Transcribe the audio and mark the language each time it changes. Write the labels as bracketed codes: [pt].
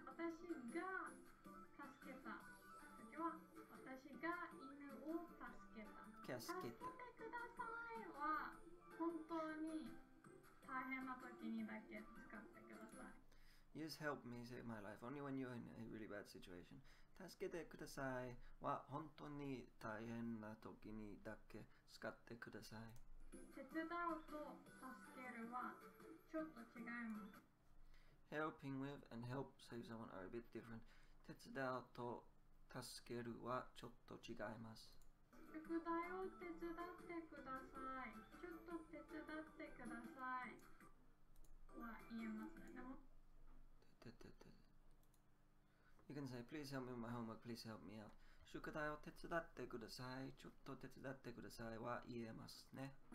[ja] 私が助けた時は、私が犬を助けた。助けてくださいは、本当に大変な時にだけ使ってください。 [en] Use help me save my life only when you're in a really bad situation. [ja] 助けてくださいは本当に大変な時にだけ使ってください。手伝うと助けるはちょっと違います。 [en] Helping with and help save someone are a bit different. [ja] 手伝うと助けるはちょっと違います。宿題を手伝ってください、ちょっと手伝ってくださいは言えますね。でも [en] You can say, please help me with my homework, please help me out. [ja] 宿題を手伝ってください。ちょっと手伝ってくださいは言えますね。